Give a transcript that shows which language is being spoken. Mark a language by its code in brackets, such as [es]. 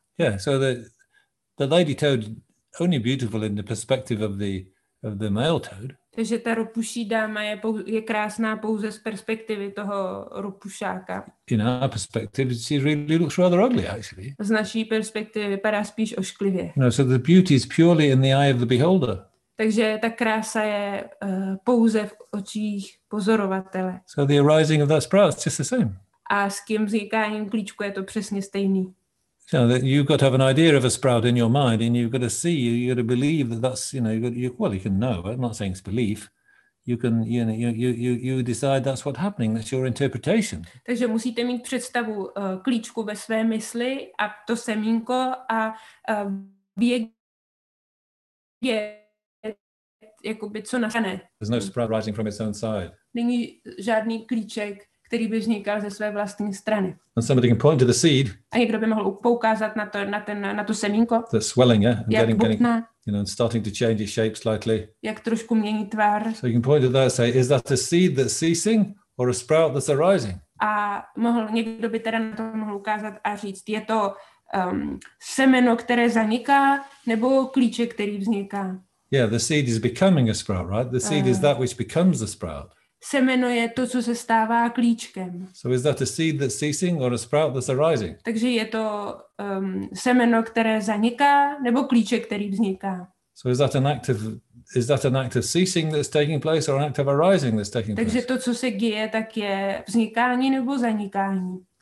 [en] Yeah, so the lady toad only beautiful in the perspective of the male toad. [cs] Takže ta ropuší dáma je krásná pouze z perspektivy toho ropušáka. [en] In our perspective, she really looks rather ugly, actually. [cs] Z naší perspektivy vypadá spíš ošklivě. [en] No, so the beauty is purely in the eye of the beholder. [cs] Takže ta krása je pouze v očích pozorovatele. [en] So the arising of that sprout is just the same. [cs] A s kým vznikáním klíčku je to přesně stejný. [en] So that you've got to have an idea of a sprout in your mind, and you've got to see, you've got to believe that that's, you know, you can know. I'm not saying it's belief. You can, you know, you decide that's what's happening. That's your interpretation. [cs] Takže musíte mít představu klíčku ve své mysli a to semínko a vědět, jakoby co nastane. [en] There's no sprout rising from its own side. [cs] Není žádný klíček, který by vznikal ze své vlastní strany. [en] And somebody can point to the seed. [cs] A někdo by mohl poukázat na to semínko. [en] The swelling, yeah, and getting, you know, and starting to change its shape slightly. [cs] Jak trošku mění tvar. [en] So you can point to that and say, is that a seed that's ceasing or a sprout that's arising? [cs] A mohl někdo by teda na to mohl ukázat a říct, je to semeno, které zaniká, nebo klíček, který vzniká? [en] Yeah, the seed is becoming a sprout, right? The seed is that which becomes a sprout. [cs] Semeno je to, co se stává klíčkem. [en] So is that a seed that's ceasing or a sprout that's arising? [cs] Takže je to semeno, které zaniká, nebo klíček, který vzniká. [en] So is that an act of ceasing that's taking place or an act of arising that's taking place? [cs] Takže to, co se děje, tak je vznikání nebo zanikání.